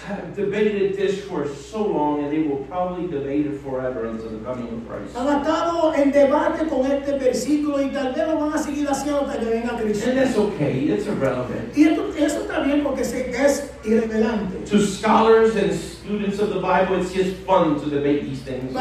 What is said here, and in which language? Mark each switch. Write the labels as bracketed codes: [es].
[en] have debated this for so long, and they will probably debate it forever until the coming of Christ. [es] Han estado en debate con este versículo y tal vez lo van a seguir haciendo hasta que venga Cristo. [en] And that's okay. It's irrelevant. [es] Y esto, eso está bien porque es irrelevante. [en] To scholars and students of the Bible, it's just fun to debate these things.